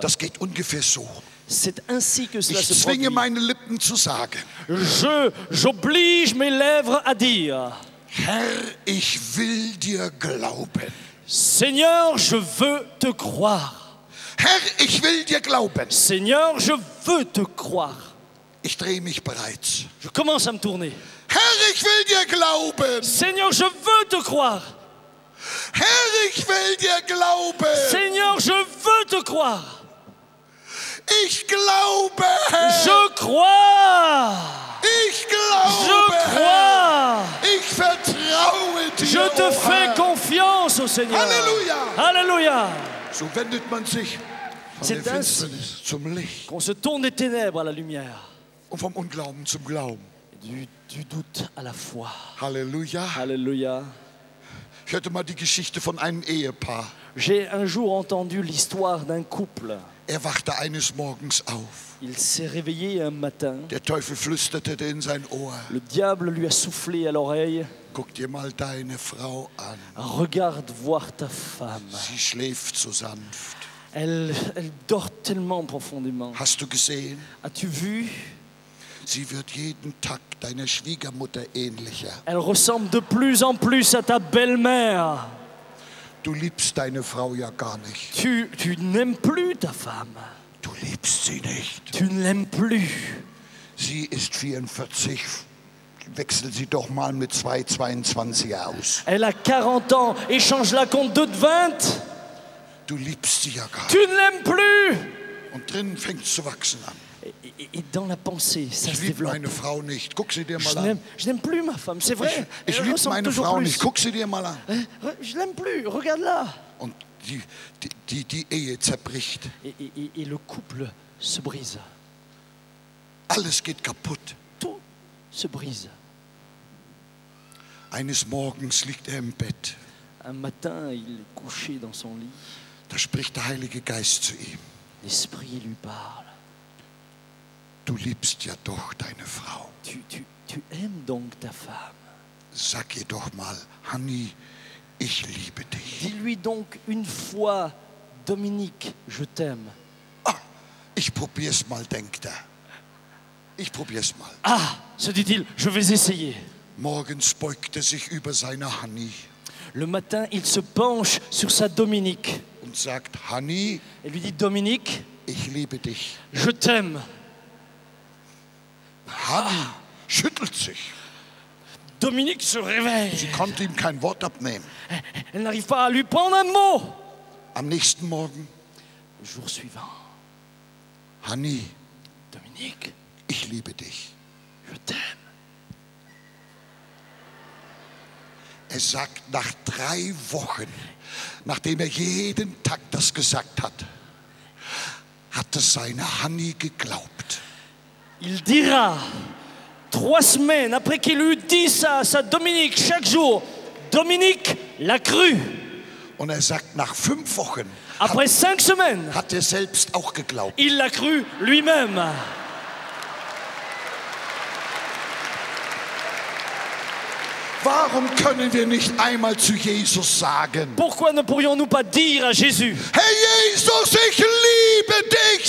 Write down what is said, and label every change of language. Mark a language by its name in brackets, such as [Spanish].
[German] Das geht ungefähr so. [French] C'est ainsi que cela [German] ich zwinge meine Lippen zu sagen. [French] J'oblige mes lèvres à dire. [German] Herr, ich will dir glauben. [French] Seigneur, je veux te croire. [German] Herr, ich will dir glauben. [French] Seigneur, je veux te croire. [German] Ich drehe mich bereits. [French] Je commence à me tourner. [German] Herr, ich will dir glauben. [French] Seigneur, je veux te croire. [German] Herr, ich will dir glauben. [French] Seigneur, je veux te croire. [German] Ich glaube. [French] Je crois. [German] Ich glaube. [French] Je crois. [German] Ich vertraue dir. [French] Je te fais confiance au Seigneur. Alléluia. Alléluia. [German] So wendet man sich von der Finsternis zum Licht. [French] Qu'on se tourne des ténèbres à la lumière. [German] Und vom Unglauben zum Glauben. [French] Du doute à la foi. Alléluia. Alléluia. [German] Ich hörte mal die Geschichte von einem Ehepaar. [French] J'ai un jour entendu l'histoire d'un couple. [German] Er wachte eines Morgens auf. [French] Il s'est réveillé un matin. [German] Der Teufel flüsterte in sein Ohr. [French] Le diable lui a soufflé à l'oreille. [German] Guck dir mal deine Frau an. [French] Regarde voir ta femme. [German] Sie schläft so sanft. [French] Elle dort tellement profondément. [German] Hast du gesehen? [French] As-tu vu? [German] Sie wird jeden Tag deiner Schwiegermutter ähnlicher. [French] Elle ressemble de plus en plus à ta belle-mère. [German] Du liebst deine Frau ja gar nicht. [French] Tu n'aimes plus ta femme. [German] Du liebst sie nicht. [French] Tu ne l'aimes plus. [German] Sie ist 44. Wechsel sie doch mal mit 22 aus. [French] Elle a 40 ans. Échange-la contre 20. [German] Du liebst sie ja gar nicht. [French] Tu ne l'aimes plus. [German] Und drin fängt es zu wachsen an. [French] Et dans la pensée, ça je se développe. [German] Meine Frau nicht. Guck sie dir mal [French] je n'aime plus ma femme, c'est vrai. [German] Ich liebe meine Frau nicht. Guck sie dir mal an. [French] Je l'aime plus, regarde-la. [German] Und die Ehe zerbricht. [French] Et le couple se brise. [German] Alles geht kaputt. [French] Tout se brise. [German] Eines Morgens liegt im Bett. [French] Un matin, il est couché dans son lit. [German] Da spricht der Heilige Geist zu ihm. [French] L'esprit lui parle. [German] Du liebst ja doch deine Frau. [French] Tu aimes donc ta femme. [German] Sag ihr doch mal, Honey, ich liebe dich. [French] Dis-lui donc une fois, Dominique, je t'aime. [German] Ah, ich probier's mal, denkt er. Ich probier's mal. [French] Ah, se dit-il, je vais essayer. [German] Morgens beugt er sich über seine Honey. [French] Le matin, il se penche sur sa Dominique. [German] Und sagt, Honey, [French] et lui dit, Dominique, [German] ich liebe dich. [French] Je t'aime. [German] Honey schüttelt sich. [French] Dominique se réveille. [German] Sie konnte ihm kein Wort abnehmen. [French] Elle n'arrive pas à lui prendre un mot. [German] Am nächsten Morgen. [French] Le jour suivant. [German] Honey. [French] Dominique. [German] Ich liebe dich. [French] Je t'aime. [German] Er sagt nach 3 Wochen, nachdem er jeden Tag das gesagt hat, hat es seine Honey geglaubt. [French] Il dira, 3 semaines après qu'il eut dit ça à sa Dominique chaque jour, Dominique l'a cru. [German] Und er sagt, nach 5 Wochen, [French] après 5 semaines, [German] hat er selbst auch geglaubt. [French] Il l'a cru lui-même. [German] Warum können wir nicht einmal zu Jesus sagen? [French] Pourquoi ne pourrions-nous pas dire à Jésus? [German] Hey Jesus, ich liebe dich.